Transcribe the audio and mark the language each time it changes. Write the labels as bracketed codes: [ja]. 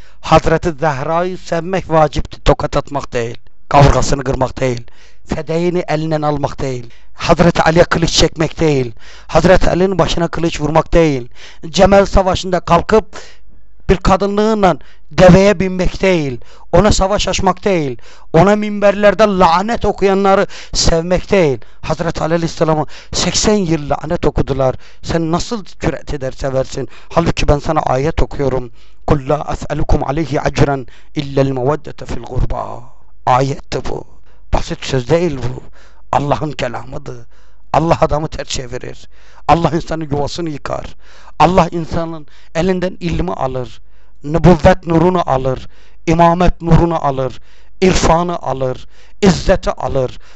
[tr] Hazreti Zehra'yı sevmek vacipti, tokat atmak değil, kavgasını kırmak değil, fedeğini elinden almak değil, Hazreti Ali'ye kılıç çekmek değil, Hazreti Ali'nin başına kılıç vurmak değil, Cemal Savaşı'nda kalkıp bir kadınlığıyla deveye binmek değil, ona savaş açmak değil, ona minberlerde lanet okuyanları sevmek değil. Hazreti Ali Aleyhisselam'a 80 yıl lanet okudular. Sen nasıl küret eder seversin? Halbuki ben sana ayet okuyorum. [ar] قل لا أسألكم عليه أجرا إلا المودة في الغربة. [tr] Ayette bu. Basit söz değil bu. Allah'ın kelamıdır. Allah adamı ters çevirir. Allah insanın yuvasını yıkar. Allah insanın elinden ilmi alır. Nübüvvet nurunu alır. İmamet nurunu alır. İrfanı alır. İzzeti alır.